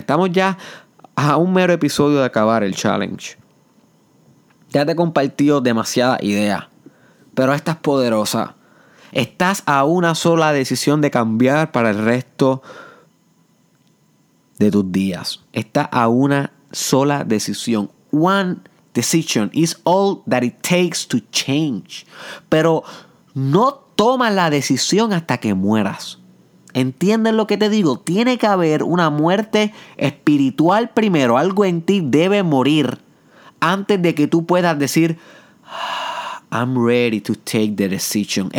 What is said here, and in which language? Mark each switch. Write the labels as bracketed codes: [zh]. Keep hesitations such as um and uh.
[es] Estamos ya a un mero episodio de acabar el challenge. Ya te he compartido demasiada idea, pero esta es poderosa. Estás a una sola decisión de cambiar para el resto de tus días. Estás a una sola decisión. [en] One decision is all that it takes to change. [es] Pero no tomas la decisión hasta que mueras. ¿Entiendes lo que te digo? Tiene que haber una muerte espiritual primero. Algo en ti debe morir antes de que tú puedas decir, [en] I'm ready to take the decision.